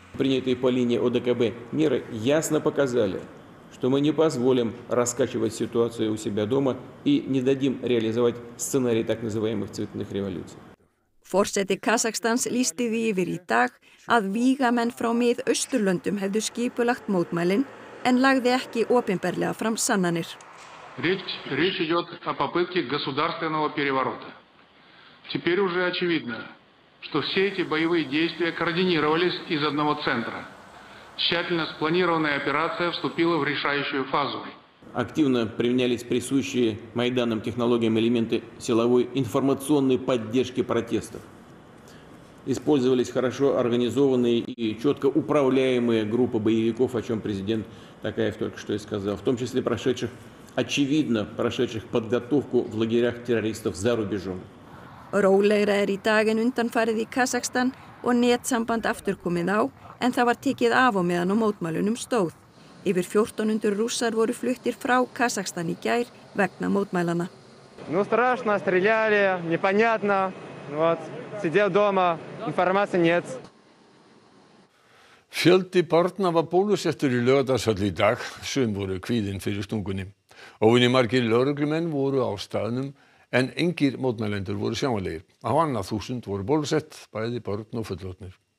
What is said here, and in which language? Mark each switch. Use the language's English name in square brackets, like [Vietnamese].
[Russian] Принятые по линии ОДКБ меры ясно показали, что мы не позволим раскачивать ситуацию у себя дома и не дадим реализовать сценарий так называемых цветных революций. [Icelandic] Forseti Kazakstans lýsti því yfir í dag að vígamenn frá Mið-Austurlöndum hefðu skipulagt mótmælin en lagði ekki opinberlega fram sannanir. [Russian] Речь идёт о попытке государственного переворота. Теперь уже очевидно, что все эти боевые действия координировались из одного центра. Тщательно спланированная операция вступила в решающую фазу. Активно применялись присущие майданным технологиям элементы силовой информационной поддержки протестов. Использовались хорошо организованные и четко управляемые группы боевиков, о чем президент Такаев только что и сказал, в том числе прошедших, очевидно, прошедших подготовку в лагерях террористов за рубежом. [Icelandic] Rólegra í dag en undanfarið í Kazakstan og netsamband aftur komið á, en það var tekið af og meðan á mótmælunum stóð. Yfir 1400 rússar voru fluttir frá Kazakstan í gær vegna mótmælana. [Russian] Ну страшно, стреляли, непонятно. Вот, сидел дома, информации нет. [Icelandic] Fjöldi barna var bólusettur í Laugardalshöll í dag, sum voru kvíðin fyrir stungunni. Óvenju margir lögreglumenn voru á staðnum, en engir mótmælendur voru sjáanlegir. Á annað þúsund voru bólusett, bæði börn og fullorðnir.